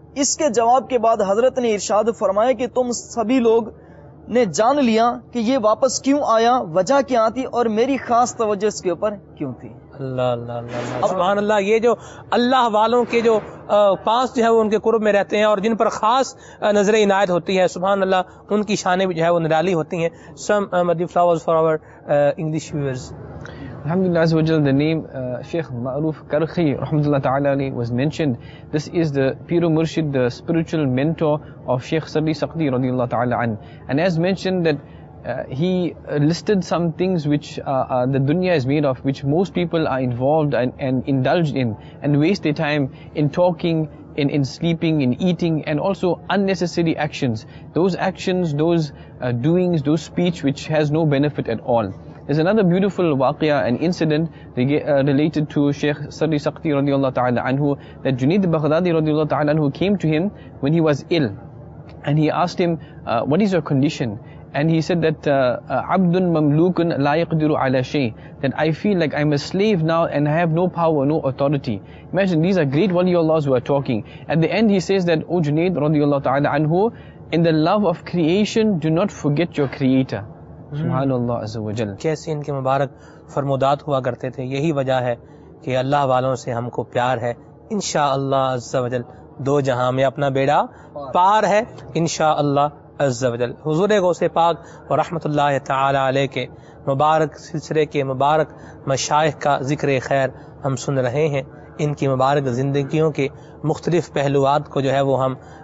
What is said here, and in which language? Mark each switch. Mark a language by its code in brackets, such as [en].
[ur] اس کے جواب کے بعد حضرت نے ارشاد فرمایا کہ تم سبھی لوگ نے جان لیا کہ یہ واپس کیوں آیا، وجہ کیا تھی اور میری خاص توجہ اس کے اوپر کیوں تھی۔ اللہ، یہ جو اللہ والوں کے جو پاس جو ہے وہ ان کے قرب میں رہتے ہیں اور جن پر خاص نظر عنایت ہوتی ہے، سبحان اللہ، ان کی شانیں بھی جو ہے وہ نرالی ہوتی ہیں۔ [en] Some of the flowers for our English viewers. Alhamdulillah Azawajal, the name Sheikh Ma'ruf Karkhi rahmatullah ta'ala alayhi was mentioned. This is the Pir o Murshid, the spiritual mentor of Sheikh Sabi Saqdi radiyallahu ta'ala an. And as mentioned that he listed some things which the dunya is made of, which most people are involved and indulged in and waste their time in talking, in sleeping, in eating, and also unnecessary actions. Those actions, those doings, those speech which has no benefit at all. There's another beautiful waqia, an incident related to Sheikh Sirri Saqti radiallahu ta'ala anhu, that Junaid Baghdadi radiallahu ta'ala anhu came to him when he was ill. And he asked him, what is your condition? And he said that, [ar] عَبْدٌ مَمْلُوكٌ لَا يَقْدِرُ عَلَى شَيْءٍ, [en] that I feel like I'm a slave now and I have no power, no authority. Imagine, these are great waliullahs who are talking. At the end he says that, O Junaid radiallahu ta'ala anhu, in the love of creation, do not forget your creator. [ar] Subhanallah azza wa jal. [ur] کیسے ان کے مبارک فرمودات ہوا کرتے تھے، یہی وجہ ہے کہ اللہ والوں سے ہم کو پیار ہے انشاءاللہ عز و جل، دو جہاں میں اپنا بیڑا پار ہے انشاءاللہ عز و جل۔ حضور غوث پاک رحمت اللہ تعالی علیہ کے مبارک سلسلے کے مبارک مشائخ کا ذکر خیر ہم سن رہے ہیں، ان کی مبارک زندگیوں کے مختلف پہلوات کو جو ہے وہ ہم